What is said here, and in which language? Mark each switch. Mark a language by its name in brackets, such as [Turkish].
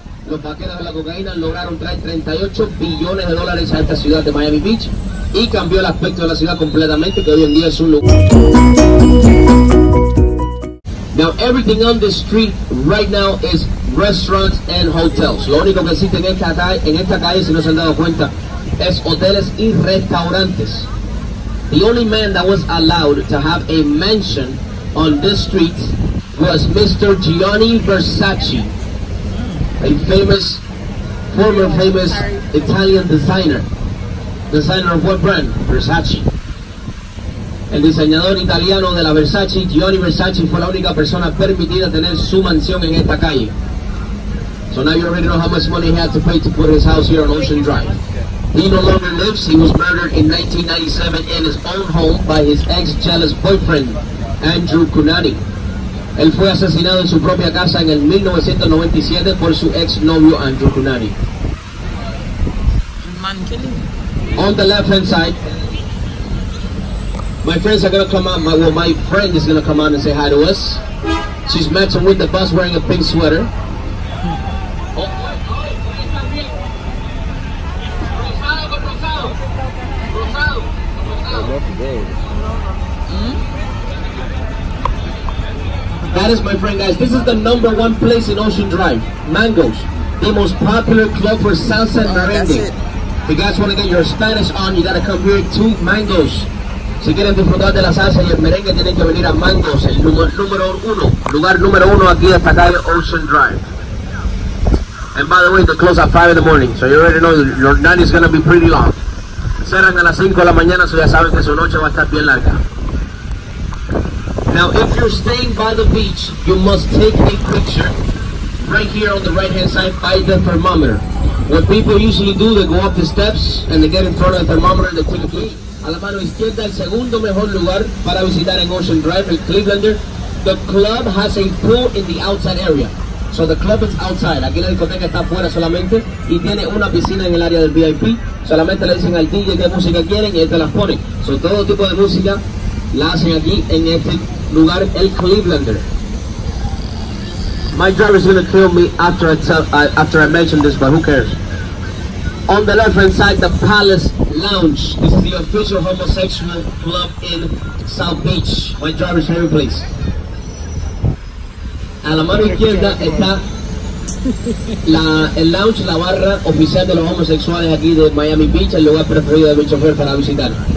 [Spanish] Los vaqueros de la cocaína lograron traer $38 billones a esta ciudad de Miami Beach y cambió el aspecto de la ciudad completamente, que hoy en día es un lugar. [English] Now everything on the street right now is restaurants and hotels. [Spanish] Lo único que existe en esta calle, si no se han dado cuenta, es hoteles y restaurantes. [English] The only man that was allowed to have a mansion on this street was Mr. Gianni Versace, a famous, former famous Italian designer. Designer of what brand? Versace. [Spanish] El diseñador italiano de la Versace, Gianni Versace, fue la única persona permitida tener su mansión en esta calle. [English] So now you already know how much money he had to pay to put his house here on Ocean Drive. He no longer lives. He was murdered in 1997 in his own home by his ex-jealous boyfriend, Andrew Cunani. [Spanish] Él fue asesinado en su propia casa en el 1997 por su ex novio Andrew Cunani. [English] On the left hand side, my friends are gonna come out. My friend is gonna come out and say hi to us. She's matching with the bus, wearing a pink sweater. That is my friend, guys. This is the number one place in Ocean Drive. Mangoes, the most popular club for salsa and merengue. If you guys want to get your Spanish on, you gotta come here to Mangoes. [Spanish] Si quieren disfrutar de la salsa y el merengue, tienen que venir a Mangoes, el lugar número uno aquí de esta calle Ocean Drive. [English] And by the way, they close at 5 in the morning, so you already know your night is gonna be pretty long. [Spanish] Cerran a las 5 de la mañana, so ya saben que su noche va a estar bien larga. [English] Now, if you're staying by the beach, you must take a picture right here on the right-hand side by the thermometer. What people usually do, they go up the steps and they get in front of the thermometer and they take a picture. [Spanish] A la mano izquierda, el segundo mejor lugar para visitar en Ocean Drive, el Clevelander. [English] The club has a pool in the outside area. So the club is outside. [Spanish] Aquí la discoteca está afuera solamente y tiene una piscina en el área del VIP. Solamente le dicen al DJ qué música quieren y él te la pone. So todo tipo de música la hacen aquí en este lugar, el Clevelander. [English] My driver is going to kill me after I mention this, but who cares? On the left hand side, the Palace Lounge. This is the official homosexual club in South Beach. My driver is here, please. [Spanish] A la mano izquierda está el lounge, la barra oficial de los homosexuales aquí de Miami Beach, el lugar preferido de mi chofer para visitar.